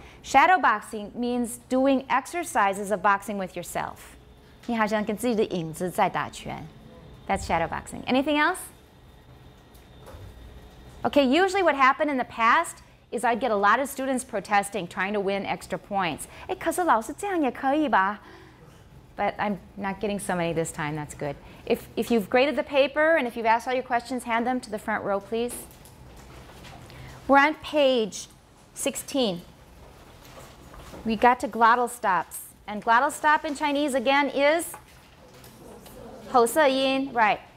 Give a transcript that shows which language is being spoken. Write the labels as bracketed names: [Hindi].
[English] Shadow boxing means doing exercises of boxing with yourself. [Chinese] 你好像跟自己的影子在打拳。 [English] That's shadow boxing. Anything else? Okay, usually what happened in the past,is I'd get a lot of students protesting, trying to win extra points. [Chinese] 哎，可是老师这样也可以吧？ [English] But I'm not getting so many this time, that's good. If you've graded the paper and if you've asked all your questions, hand them to the front row, please. We're on page 16. We got to glottal stops. And glottal stop in Chinese, again, is? Hose yin, right.